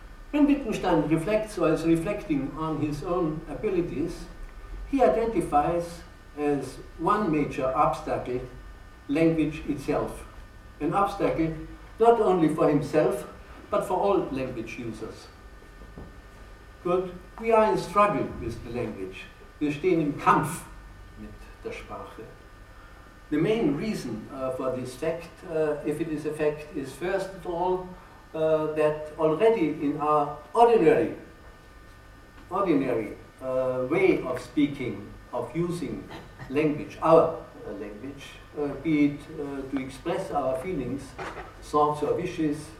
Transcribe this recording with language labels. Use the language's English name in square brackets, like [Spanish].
[English] When Wittgenstein reflects or is reflecting on his own abilities, he identifies as one major obstacle language itself, an obstacle not only for himself, but for all language users. Good, we are in struggle with the language. [German] Wir stehen im Kampf mit der Sprache. [English] The main reason for this fact, if it is a fact, is first of all that already in our ordinary way of speaking, of using language, our language, be it to express our feelings, thoughts or wishes,